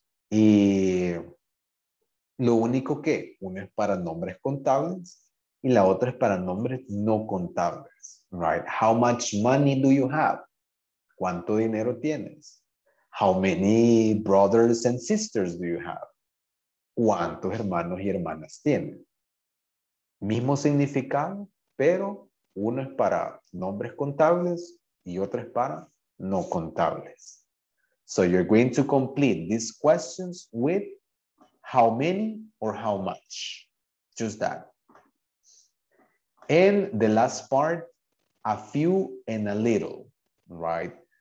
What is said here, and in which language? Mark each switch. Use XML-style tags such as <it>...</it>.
<es>Y lo único que, una es para nombres contables y la otra es para nombres no contables, right?</es> <en>How much money do you have?</en> <es>¿Cuánto dinero tienes?</es> <en>How many brothers and sisters do you have?</en> <es>¿Cuántos hermanos y hermanas tienen? Mismo significado, pero uno es para nombres contables y otro es para no contables.</es> <en>So you're going to complete these questions with how many or how much. Just that. And the last part, a few and a little, right?</en>